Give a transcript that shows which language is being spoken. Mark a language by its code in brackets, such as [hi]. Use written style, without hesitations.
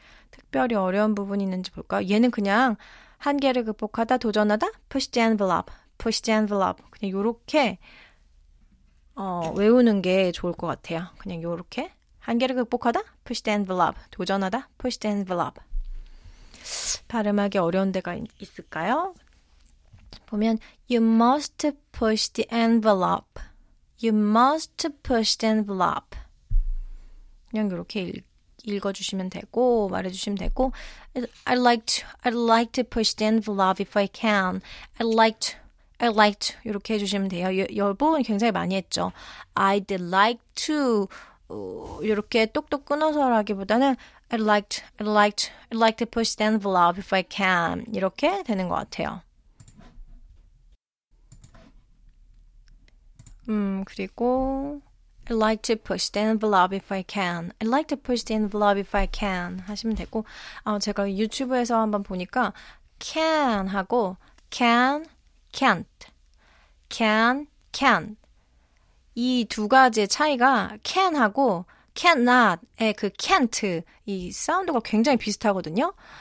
[ko] 특별히 어려운 부분이 있는지 볼까요? 얘는 그냥 한계를 극복하다, 도전하다, [en] push the envelope, push the envelope [ko] 그냥 요렇게 외우는 게 좋을 것 같아요. 그냥 요렇게 한계를 극복하다, [en] push the envelope, [ko] 도전하다, push the envelope. 발음하기 어려운 데가 있을까요? 보면 [en] You must push the envelope. You must push the envelope. [ko] 그냥 이렇게 읽어주시면 되고 말해주시면 되고 [en] I'd like to push the envelope if I can. I'd like to [ko] 이렇게 해주시면 돼요. 여러분 굉장히 많이 했죠. [en] I'd like to [ko] 이렇게 똑똑 끊어서 하기보다는 [en] I'd like to push the envelope if I can. [ko] 이렇게 되는 것 같아요. 그리고 [en] I'd like to push the envelope if I can. I'd like to push the envelope if I can. [ko] 하시면 되고 제가 유튜브에서 한번 보니까 can 하고 can, can't. [en] can, can't. [ko] 이 두 가지의 차이가 can 하고 cannot의 그 can't 이 사운드가 굉장히 비슷하거든요.